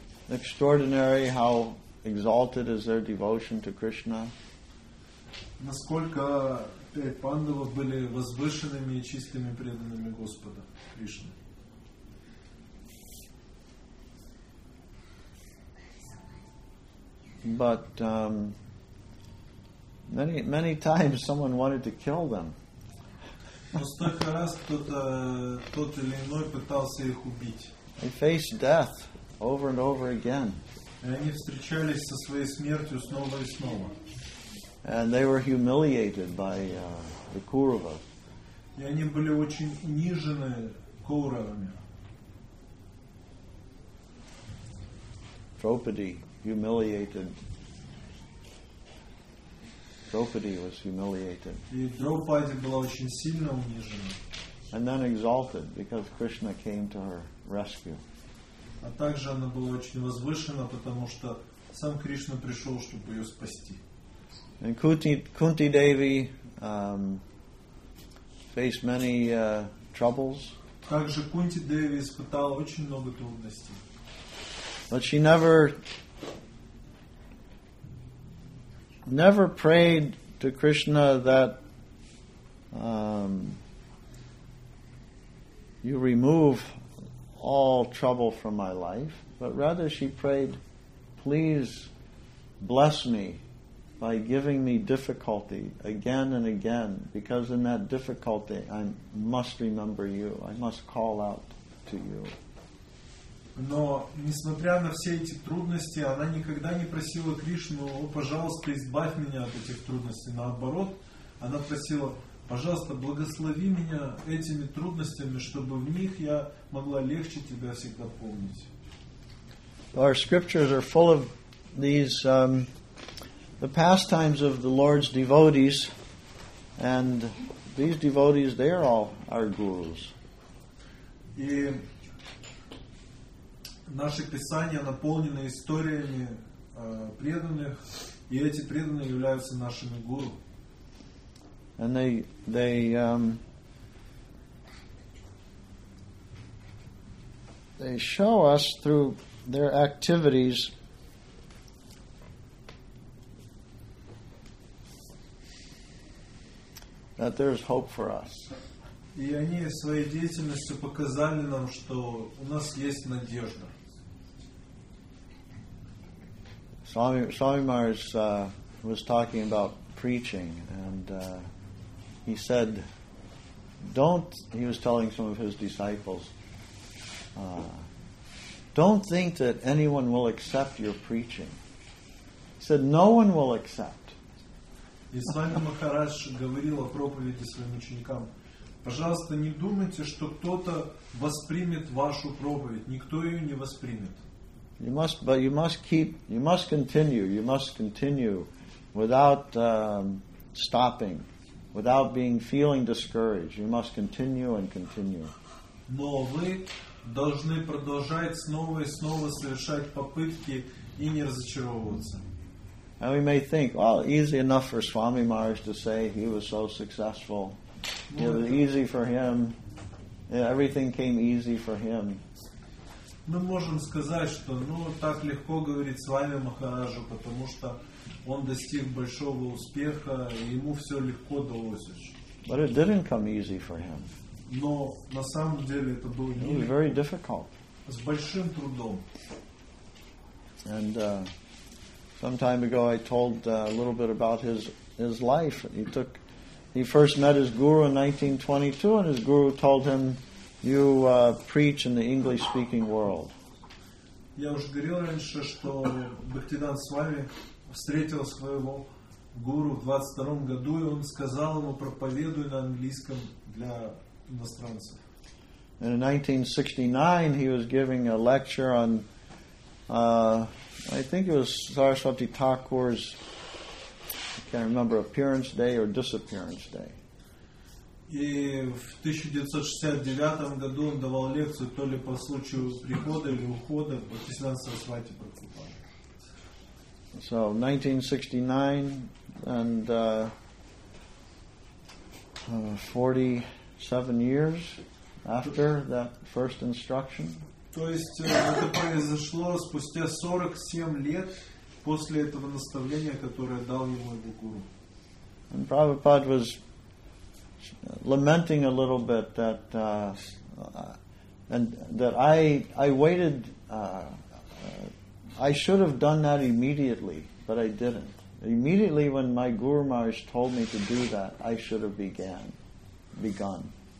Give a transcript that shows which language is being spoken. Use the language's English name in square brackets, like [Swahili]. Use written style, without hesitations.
[English] Extraordinary, how exalted is their devotion to Krishna. [Russian] Насколько Пандавы были возвышенными и чистыми преданными Господа Кришны. [English] But many times someone wanted to kill them. [Russian] Но столько раз кто-то тот или иной пытался их убить. [English] They faced death over and over again. [Russian] И они встречались со своей смертью снова и снова. [English] And they were humiliated by the Kauravas. [Russian] И они были очень унижены Кауравами. [English] Draupadi humiliated. Draupadi was humiliated. [Russian] И Draupadi была очень сильно унижена. [English] And then exalted because Krishna came to her rescue. [Russian] А также она была очень возвышена, потому что сам Кришна пришел, чтобы ее спасти. [English] And Kunti Devi faced many troubles. [Russian] Также Кунти Деви испытала очень много трудностей. [English] But she never prayed to Krishna that you remove all trouble from my life, but rather she prayed, please bless me by giving me difficulty again and again, because in that difficulty I must remember you, I must call out to you. [Russian] Но несмотря на все эти трудности, она никогда не просила Кришну: о, пожалуйста, избавь меня от этих трудностей. Наоборот, она просила: пожалуйста, благослови меня этими трудностями, чтобы в них я могла легче тебя всегда помнить. [English] Our scriptures are full of these the pastimes of the Lord's devotees, and these devotees, they are all our gurus. [Russian] И наши писания наполнены историями преданных, и эти преданные являются нашими гуру. [English] And they show us through their activities that there's hope for us. [Russian] И они своей деятельностью показали нам, что у нас есть надежда. [English] Swami Maharaj was talking about preaching, and he said, he was telling some of his disciples, don't think that anyone will accept your preaching. He said, no one will accept. [Russian] И Свами Махарадж говорил о проповеди своим ученикам. Пожалуйста, не думайте, что кто-то воспримет вашу проповедь. Никто ее не воспримет. [English] You must continue without stopping, without being feeling discouraged. You must continue and continue. [Russian] Но вы должны продолжать снова и снова совершать попытки и не разочаровываться. [English] And we may think, well, easy enough for Swami Maharaj to say he was so successful. It was easy for him. Everything came easy for him. [Russian] Мы можем сказать, что, так легко говорить с вами Махараджу, потому что он достиг большого успеха, и ему все легко далось. [English] But it didn't come easy for him. [Russian] Но на самом деле это было нелегко. [English] It was very difficult. [Russian] С большим трудом. [English] And some time ago, I told a little bit about his life. He first met his guru in 1922, and his guru told him, "You preach in the English-speaking world." [Russian] Я уже говорил раньше, что Бхактидан Свами встретил своего гуру в 22-м году, и он сказал ему, проповедуй на английском для иностранцев. [English] And in 1969, he was giving a lecture on, I think it was Saraswati Thakur's, I can't remember, appearance day or disappearance day. [Russian] И в 1969 году он давал лекцию то ли по случаю прихода или ухода в Бхактисиддханта Сарасвати Прабху. [English] So 1969, and 47 years after that first instruction. [Russian] То есть это произошло спустя 47 лет после этого наставления, которое дал ему его гуру. [English] And Prabhupada was lamenting a little bit that and that I waited, I should have done that immediately, but I didn't. Immediately when my Guru Maharaj told me to do that, I should have begun.